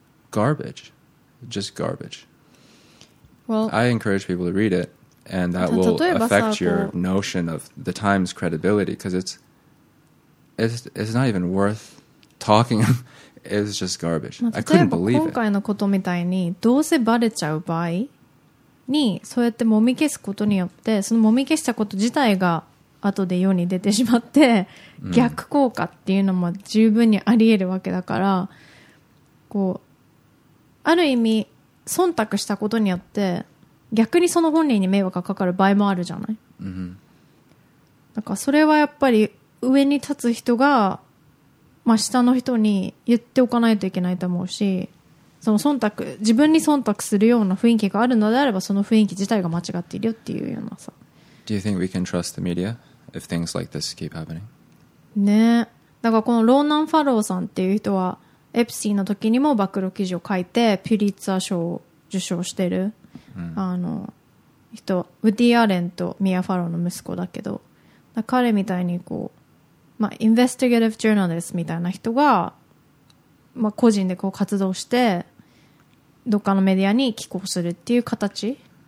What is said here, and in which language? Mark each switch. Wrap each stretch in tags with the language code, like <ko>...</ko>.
<en>Garbage. Just garbage. Well, I encourage people to read it, and that will affect your notion of the Times' credibility, because it's not even worth talking about. It's just garbage. I couldn't believe it.</en> <ja>例えば今回のことみたいにどうせバレちゃう場合にそうやって揉み消すことによってその揉み消したこと自体が後で世に出てしまって逆効果っていうのも十分にあり得るわけだから、こうある意味忖度したことによって逆にその本人に迷惑がかかる場合もあるじゃない、だからそれはやっぱり上に立つ人がまあ、下の人に言っておかないといけないと思うし、その忖度、自分に忖度するような雰囲気があるのであればその雰囲気自体が間違っているよっていうようなさ。</ja> <en>Do you think we can trust the media if things like this keep happening?</en> <ja>ねえ、だからこのローナン・ファローさんっていう人はエプシーの時にも暴露記事を書いてピュリッツァー賞を受賞してる、あの人、ウディ・アレンとミア・ファローの息子だけど、だ彼みたいにこうまあ、インベスティゲティブジャーナリストみたいな人が、まあ、個人でこう活動してどっかのメディアに寄稿するっていう形</ja>